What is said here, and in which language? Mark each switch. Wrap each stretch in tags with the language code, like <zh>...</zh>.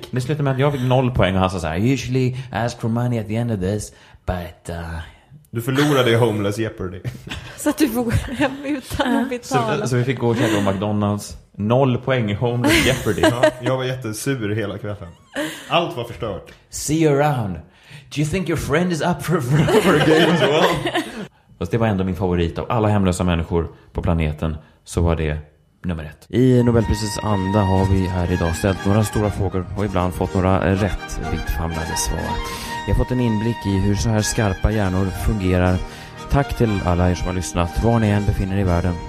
<sv>Nej, det slutade med att jag fick 0 poäng och han sa så här,</sv> <en>I usually ask for money at the end of this, but...</en> <sv>Du förlorade i Homeless Jeopardy. Så att du får gå hem utan att betala. Så vi fick gå och käka på McDonalds. 0 poäng i Homeless Jeopardy. Ja, jag var jättesur hela kvällen. Allt var förstört.</sv> <en>See you around. Do you think your friend is up for a game as well?</en> <sv>Fast det var ändå min favorit av alla hemlösa människor på planeten. Så var det nummer 1. I Nobelprisets anda har vi här idag ställt några stora frågor och ibland fått några rätt vittfamlade svar. Jag har fått en inblick i hur så här skarpa hjärnor fungerar. Tack till alla er som har lyssnat, var ni än befinner i världen.</sv>